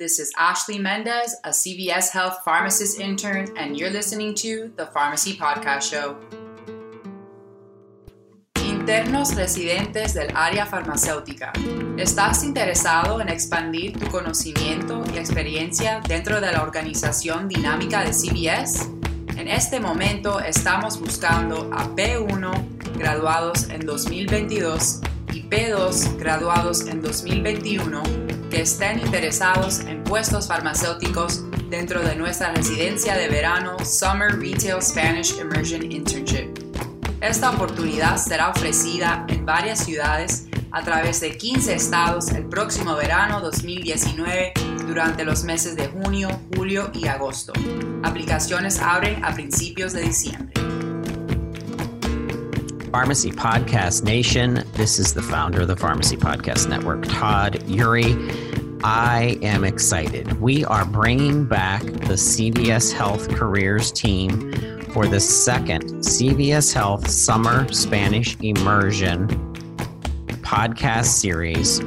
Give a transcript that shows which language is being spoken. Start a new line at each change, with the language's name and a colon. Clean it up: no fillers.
English: This is Ashley Mendez, a CVS Health pharmacist intern, and you're listening to the Pharmacy Podcast Show.
Spanish: Internos residentes del área farmacéutica, ¿estás interesado en expandir tu conocimiento y experiencia dentro de la organización dinámica de CVS? En este momento estamos buscando a P1 graduados en 2022 y P2 graduados en 2021 que estén interesados en puestos farmacéuticos dentro de nuestra residencia de verano Summer Retail Spanish Immersion Internship. Esta oportunidad será ofrecida en varias ciudades a través de 15 estados el próximo verano 2019 durante los meses de junio, julio y agosto. Aplicaciones abren a principios de diciembre.
English: Pharmacy Podcast Nation, this is the founder of the Pharmacy Podcast Network, Todd Urey. I am excited. We are bringing back the CVS Health Careers team for the second CVS Health Summer Spanish Immersion podcast series.